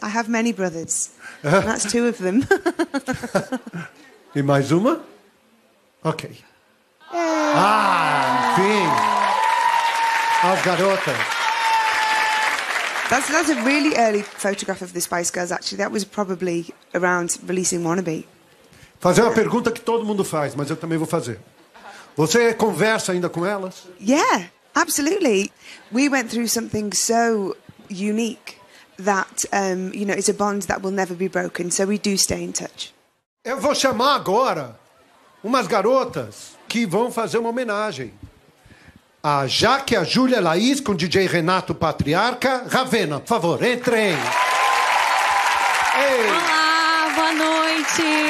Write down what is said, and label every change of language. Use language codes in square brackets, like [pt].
[en] I have many brothers. And that's two of them. [pt] E mais uma? Okay. Yay. Ah, enfim. As garotas. [en] That's a really early photograph of the Spice Girls, actually. That was probably around releasing Wannabe. [pt] Fazer uma pergunta que todo mundo faz, mas eu também vou fazer. Você conversa ainda com elas? [en] Yeah, absolutely. We went through something so unique that, you know, it's a bond that will never be broken. So we do stay in touch. [pt] Eu vou chamar agora umas garotas que vão fazer uma homenagem. A Jaque, a Júlia, a Laís, com o DJ Renato Patriarca. Ravena, por favor, entrem. Ei. Olá, boa noite.